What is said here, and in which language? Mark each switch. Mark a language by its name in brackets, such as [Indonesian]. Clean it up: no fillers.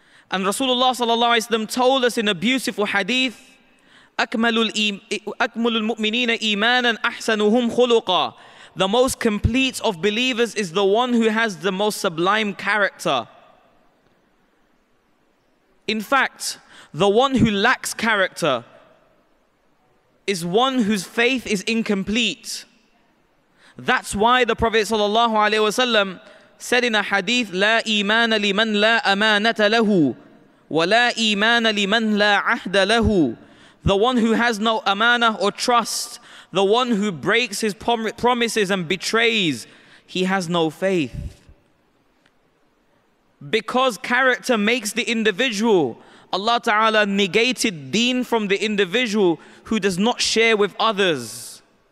[English] And Rasulullah sallallahu alaihi wasallam told us in a beautiful hadith, [Arabic] أكمل المؤمنين إيمانا أحسنهم خلقا. [English] the most complete of believers is the one who has the most sublime character. In fact, the one who lacks character is one whose faith is incomplete. That's why the Prophet sallallahu alaihi wasallam said in a hadith, [Arabic] لا إيمان لمن لا أمانة له ولا إيمان لمن لا عهد له. [English] The one who has no amanah or trust, the one who breaks his promises and betrays, he has no faith. Because character makes the individual, Allah Ta'ala negated deen from the individual who does not share with others.